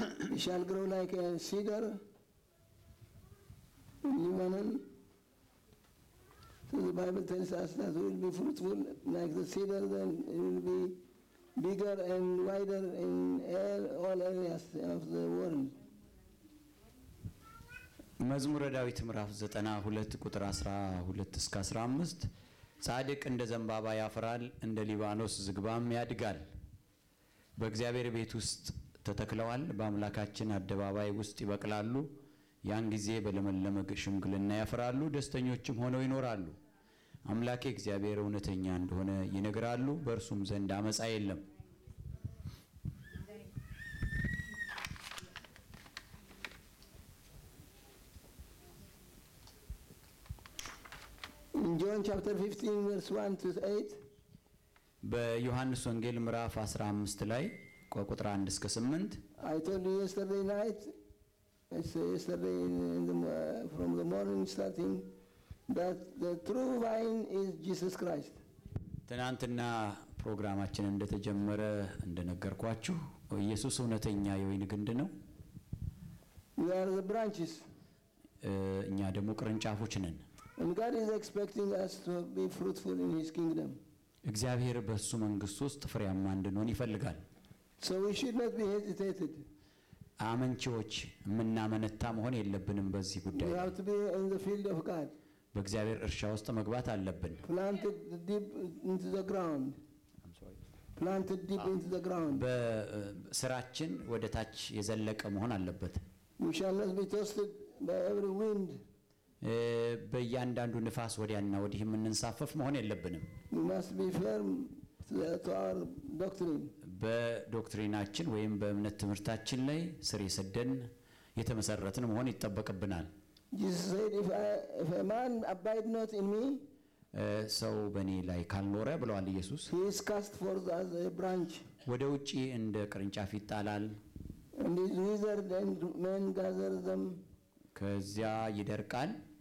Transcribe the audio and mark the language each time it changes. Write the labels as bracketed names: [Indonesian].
[English] He shall grow like a cedar in Lebanon. So the Bible tells us that we will be fruitful like the cedar, then it will be bigger and wider in all areas of the world. [Amharic] መዝሙረ ዳዊት ምዕራፍ 92 ቁጥር 12 እስከ 15 ጻድቅ እንደ ዘንባባ ያፈራል እንደ ሊባኖስ ዝግባም ያድጋል። በእግዚአብሔር ቤት ውስጥ ተተክለዋል በአምላካችን አደባባይ ውስጥ ይበቅላሉ። ያን ጊዜ በለመለመ ሽምግልና ያፈራሉ ደስተኞችም ሆነው ይኖራሉ። አምላኬ እግዚአብሔር እውነተኛ እንደሆነ ይነግራሉ በርሱም ዘንድ አመጻ የለም። [English] In In John chapter 15 verse 1 to 8. [Amharic] በዮሐንስ ወንጌል ምዕራፍ 15 ላይ ቁጥር 1 እስከ 8 [English] I told you yesterday night, yesterday in the, from the morning starting, that the true vine is Jesus Christ. [Amharic] ትናንትና ፕሮግራማችን እንደተጀመረ እንደነገርኳችሁ ኢየሱስ እውነተኛ የወይን ግንድ ነው። [English] We are the branches. [Amharic] እኛ ደግሞ ቅርንጫፎች ነን። [English] And God is expecting us to be fruitful in his kingdom. [Amharic] እግዚአብሔር በሱ መንግስት ውስጥ ፍሬያማ እንድንሆን ይፈልጋል። [English] So we should not be hesitated. [Amharic] አመንቾች ምናመነታ መሆን የለብንም በዚህ ጉዳይ። [English] We have to be in the field of God. [Amharic] በእግዚአብሔር እርሻ ውስጥ መግባት አለብን። [English] Planted deep into the ground. Planted deep into the ground. [Amharic] በስራችን ወደ ታች የዘለቀ መሆን አለበት። [English] We shall not be tossed by every wind. [Amharic] በእያንዳንዱ ንፋስ ወዲያና ወዲህ የምንንሳፈፍ መሆን የለብንም። [English] We must be firm to our doctrine. [Amharic] በዶክትሪናችን ወይም በእምነት ትምህርታችን ላይ ስር የሰደን የተመሰረተን መሆን ይጠበቅብናል። [English] Jesus said, if a man abide not in me, [Amharic] ሰው በኔ ላይ ካልኖረ ብሏል ኢየሱስ, [English] he is cast forth as a branch. [Amharic] ወደ ውጪ እንደ ቅርንጫፍ ይጣላል. [English] And he is withered and men gather them. [Amharic] ከዚያ ይደርቃል.